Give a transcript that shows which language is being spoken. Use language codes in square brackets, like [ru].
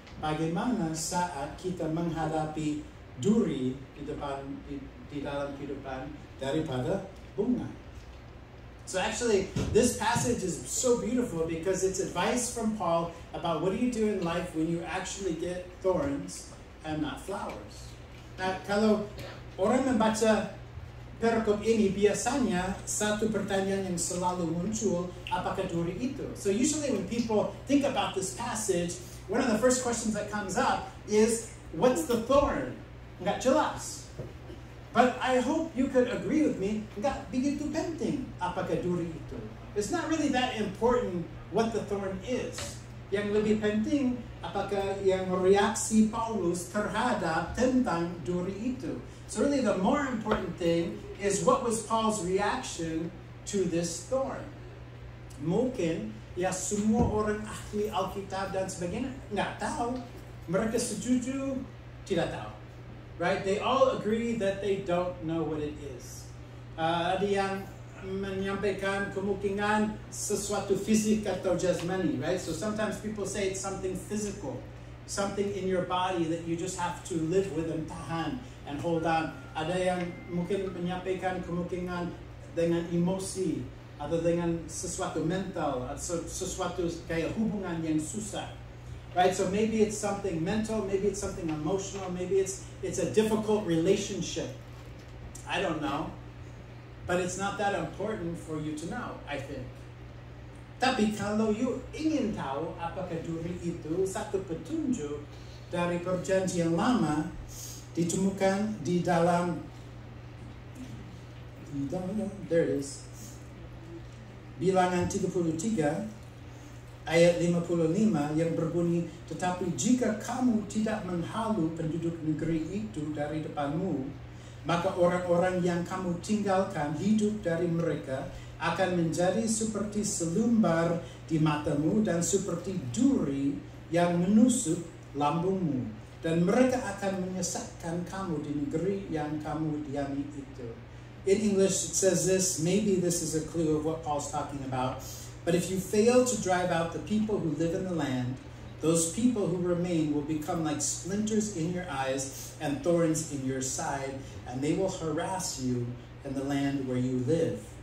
[id] Bagaimana saat kita menghadapi duri di dalam kehidupan daripada bunga. [en] So actually, this passage is so beautiful because it's advice from Paul about what do you do in life when you actually get thorns and not flowers. Now, [id] kalau orang membaca perikop ini biasanya satu pertanyaan yang selalu muncul, apakah Duri itu? [en] So usually when people think about this passage, one of the first questions that comes up is, what's the thorn? [id] Enggak jelas. [en] But I hope you could agree with me, [id] enggak begitu penting apakah Duri itu. [en] It's not really that important what the thorn is. [id] Yang lebih penting, apakah yang reaksi Paulus terhadap tentang duri itu. [en] So really the more important thing is what was Paul's reaction to this thorn. [id] Mungkin, ya semua orang ahli Alkitab dan sebagainya, nggak tahu. Mereka setuju, tidak tahu. [en] Right? They all agree that they don't know what it is. [id] Ada yang menyampaikan kemungkinan sesuatu fisik atau jasmani, [en] right? So sometimes people say it's something physical, something in your body that you just have to live with and tahan and hold on. [id] Ada yang mungkin menyampaikan kemungkinan dengan emosi atau dengan sesuatu mental atau sesuatu kayak hubungan yang susah, [en] right? So maybe it's something mental, maybe it's something emotional, maybe it's a difficult relationship. I don't know. But it's not that important for you to know, I think. [id] Tapi kalau you ingin tahu apakah duri itu, satu petunjuk dari perjanjian lama ditemukan di dalam, [en] there it is, [id] Bilangan 33 ayat 55 yang berbunyi, tetapi jika kamu tidak menghalu penduduk negeri itu dari depanmu, maka orang-orang yang kamu tinggalkan hidup dari mereka akan menjadi seperti selumbar di matamu dan seperti duri yang menusuk lambungmu. Dan mereka akan menyesatkan kamu di negeri yang kamu diami itu. [en] In English it says this, maybe this is a clue of what Paul's talking about. But if you fail to drive out the people who live in the land, those people who remain will become like splinters in your eyes and thorns in your side, and they will harass you in the land where you live.